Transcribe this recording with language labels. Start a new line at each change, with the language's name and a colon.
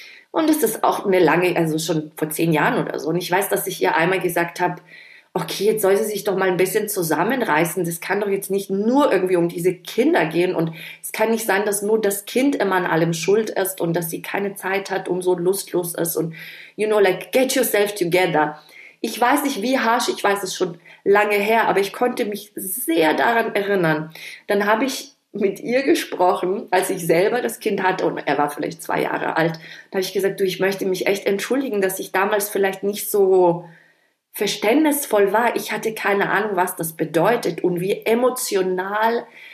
German: Und es ist auch eine lange, also schon vor 10 Jahren oder so. Und ich weiß, dass ich ihr einmal gesagt habe, okay, jetzt soll sie sich doch mal ein bisschen zusammenreißen. Das kann doch jetzt nicht nur irgendwie um diese Kinder gehen. Und es kann nicht sein, dass nur das Kind immer an allem schuld ist und dass sie keine Zeit hat und so lustlos ist.
English: Und you know, like, get yourself together.
German: Ich weiß nicht, wie harsch, ich weiß es schon lange her, aber ich konnte mich sehr daran erinnern. Dann habe ich mit ihr gesprochen, als ich selber das Kind hatte und er war vielleicht 2 Jahre alt, da habe ich gesagt, du, ich möchte mich echt entschuldigen, dass ich damals vielleicht nicht so verständnisvoll war. Ich hatte keine Ahnung, was das bedeutet und wie emotional